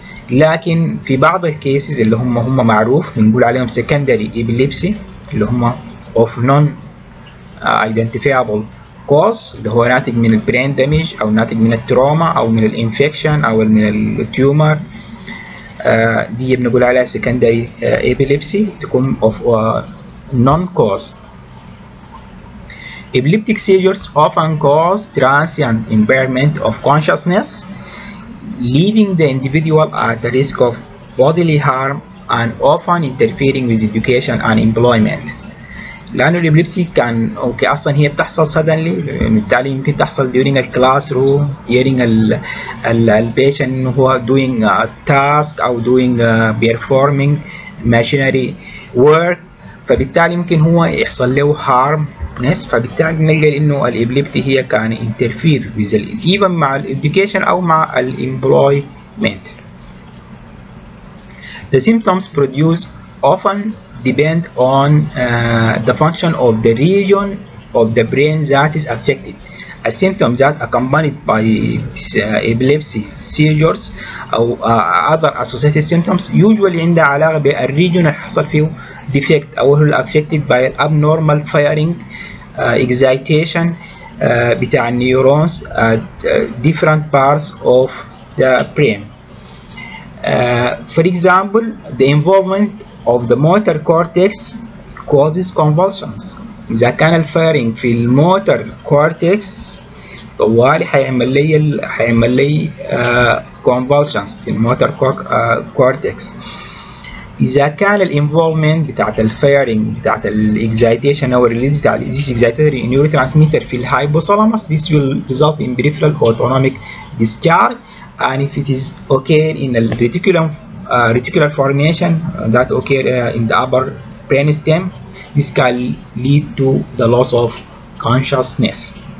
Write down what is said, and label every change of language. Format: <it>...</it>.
<ar>لكن في بعض الكيسز اللي هم معروف بنقول عليهم</ar> <en>secondary epilepsy</en> <ar>اللي هم</ar> <en>of non identifiable cause</en> <ar>اللي هو ناتج من البرين دامج او ناتج من التروما او من الانفكشن او من التيومر دي بنقول عليها secondary epilepsy تكون</ar> <en>of non cause. Epileptic seizures often cause transient impairment of consciousness leaving the individual at the risk of bodily harm and often interfering with education and employment.</en> <ar>لأن الإبليبسي كان أوكي أصلا هي بتحصل suddenly بالتالي يمكن تحصل</ar> <en>during the classroom during</en> <ar>ال patient هو</ar> <en>doing a task</en> <ar>أو</ar> <en>doing performing machinery work</en> <ar>فبالتالي يمكن هو يحصل له harm ناس فبالتالي نلقى إنه الإبليبتي هي كان</ar> <en>interfere with the even</en> <ar>مع ال education أو مع ال employment.</ar> <en>The symptoms produced often depend on the function of the region of the brain that is affected. A symptom that accompanied by this, epilepsy, seizures, or other associated symptoms usually</en> <ar>عندها علاقة بالريجون اللي حصل فيه</ar> <en>defect أو هو affected by abnormal firing, excitation بتاع neurons at different parts of the brain. For example, the involvement of the motor cortex causes convulsions.</en> <ar>إذا كان الفيرنج في الموتر كورتكس طوالي حيعمل لي convulsions في الموتر كورتكس. إذا كان الانفولفمنت بتاعت الفيرنج بتاعت الاكزيتيشن او الريليز بتاع الاكزيتيشن اكزيتيتوري نيورو ترانسميتر في الهايبوثالاموس</ar> <en>this will result in peripheral autonomic discharge and if it is occurred in the reticulum reticular formation that occur in the upper brainstem, this can lead to the loss of consciousness.</en>